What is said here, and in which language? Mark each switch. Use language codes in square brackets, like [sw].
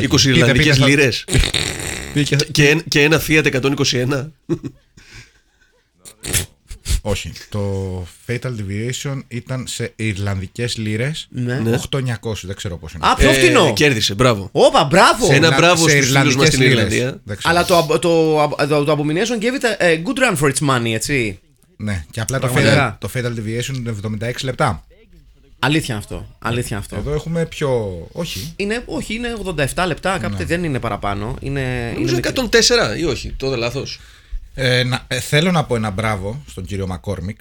[el] 20 ιρλανδικές λίρες και ένα Fiat 121. Όχι, το Fatal Deviation ήταν σε ιρλανδικές λίρες, ναι. 8.900, δεν ξέρω πώς είναι. Α, πιο φτηνό. Κέρδισε, μπράβο. Όπα, μπράβο. Σε ένα μπράβο στους φίλους μας στην Ιρλανδία. Αλλά το [en] Abomination gave it a good run for its money, [el] έτσι. Ναι, και απλά το Fatal Deviation είναι 76 λεπτά. Αλήθεια αυτό, αλήθεια αυτό. Εδώ έχουμε πιο... όχι. Είναι, όχι, είναι 87 λεπτά, κάποτε ναι. δεν είναι παραπάνω. Είναι, νομίζω είναι 104 ή όχι, το είδα λάθος. Θέλω να πω ένα μπράβο στον κύριο McCormick.